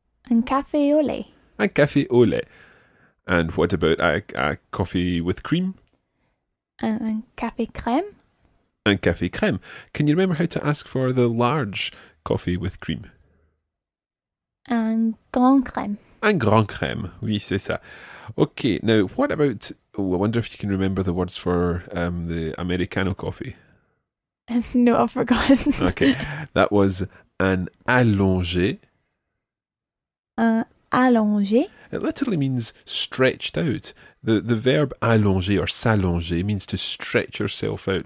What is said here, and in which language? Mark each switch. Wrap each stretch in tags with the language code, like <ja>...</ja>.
<fr>Un café au lait. Un café au lait.</fr> <en>And what about a coffee with cream?</en> <fr>Un café crème.</fr> <en>And café crème. Can you remember how to ask for the large coffee with cream?</en> <fr>Un grand crème. Un grand crème. Oui, c'est ça. Okay, now what about</fr> <en>Oh, I wonder if you can remember the words for the Americano coffee. No, I've forgotten. Okay. That was an allongé.</en> <fr>Allongé.</fr> <en>It literally means stretched out. The verb allonger or s'allonger means to stretch yourself out.</en>